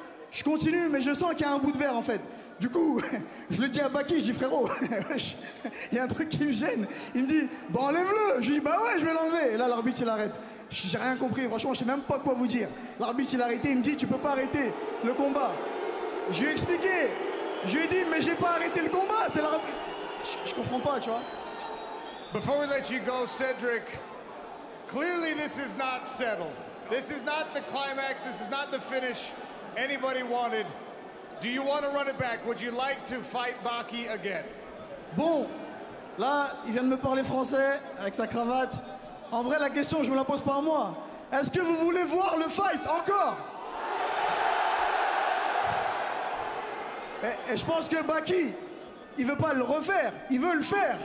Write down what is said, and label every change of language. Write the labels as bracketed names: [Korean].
[French] Je continue, mais je sens qu'il y a un bout de verre en fait. Du coup, je le dis à Baki, je dis frérot, il y a un truc qui me gêne. Il me dit, bah enlève-le. Je dis, bah ouais, je vais l'enlever. Et là, l'arbitre, il arrête. J'ai rien compris, franchement, je sais même pas quoi vous dire. L'arbitre, il a arrêté, il me dit, tu peux pas arrêter le combat. Je lui ai expliqué. Je lui ai dit, mais j'ai pas arrêté le combat. C'est l'arbitre. Je comprends pas, tu vois. [English] Before we let you go, Cedric, clearly this is not settled. This is not the climax, this is not the finish anybody wanted. Do you want to run it back? Would you like to fight Baki again? [French] Bon, là, il vient de me parler français avec sa cravate. En vrai, la question, je me la pose pas à moi. Est-ce que vous voulez voir le fight encore? Et je pense que Baki, il veut pas le refaire, il veut le faire.